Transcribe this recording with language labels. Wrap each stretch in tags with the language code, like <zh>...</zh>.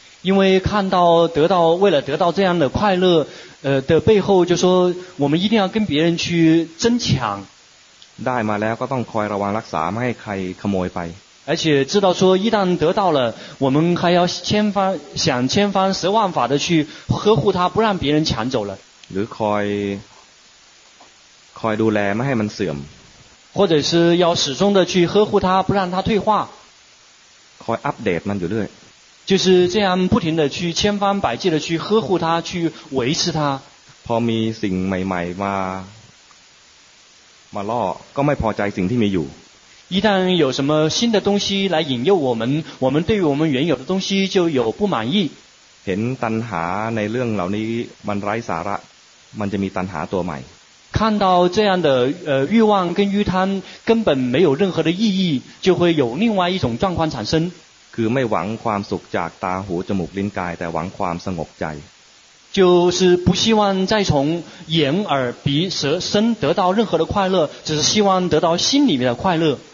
<zh>因为看到得到为了得到这样的快乐的背后就说我们一定要跟别人去争抢</zh> <th>ได้มาแล้วก็ต้องคอยระวังรักษาไม่ให้ใครขโมยไป</th> <zh>而且知道说一旦得到了，我们还要千方想千方十万法的去呵护它，不让别人抢走了。</zh> <th>หรือคอยดูแลไม่ให้มันเสื่อม，</th> <zh>或者是要始终的去呵护它，不让它退化。</zh> <th>คอยอัปเดตมันอยู่เรื่อย，</th> <zh>就是这样不停的去千方百计的去呵护它，去维持它。</zh> <th>พอมีสิ่งใหม่ๆมาล่อก็ไม่พอใจสิ่งที่มีอยู่。</th> <zh>一旦有什么新的东西来引诱我们，我们对于我们原有的东西就有不满意。</zh> <th>เห็นตัณหาในเรื่องเหล่านี้มันไร้สาระมันจะมีตัณหาตัวใหม่。</th> <zh>看到这样的欲望跟欲贪根本没有任何的意义，就会有另外一种状况产生。</zh> <th>คือไม่หวังความสุขจากตาหูจมูกลิ้นกายแต่หวังความสงบใจ。</th> <zh>就是不希望再从眼耳鼻舌身得到任何的快乐，只是希望得到心里面的快乐。</zh>